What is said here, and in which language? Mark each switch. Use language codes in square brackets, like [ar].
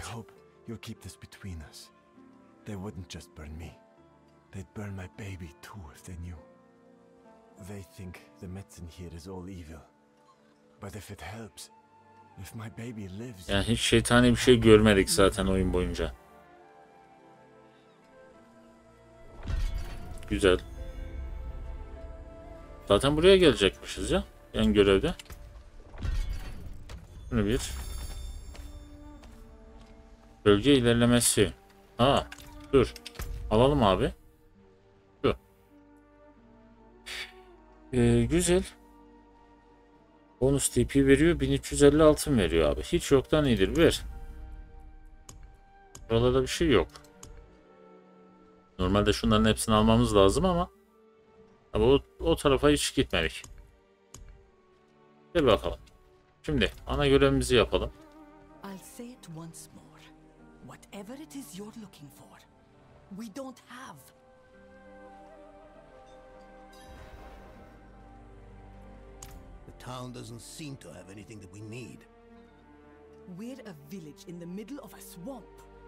[en] I hope you'll keep this between us. They wouldn't just burn me. They'd burn my baby too if they knew. They think the medicine here is all evil. But if it helps, if my baby lives. [tr] Yani hiç şeytani bir şey görmedik zaten oyun boyunca. Güzel. Zaten buraya gelecekmişiz ya. Yan görevde. Bunu bir. Bölge ilerlemesi. Ha, dur. Alalım abi. Güzel. Bonus TP veriyor. 1350 altın veriyor abi. Hiç yoktan iyidir. Ver. Buralarda bir şey yok. Normalde şunların hepsini almamız lazım ama. Abi o tarafa hiç gitmedik. Gel bakalım. Şimdi ana görevimizi yapalım. [en] I'll say it once more. Whatever it is you're looking for, we don't have. Town doesn't seem to have anything that we need. We're a village in the middle of a swamp.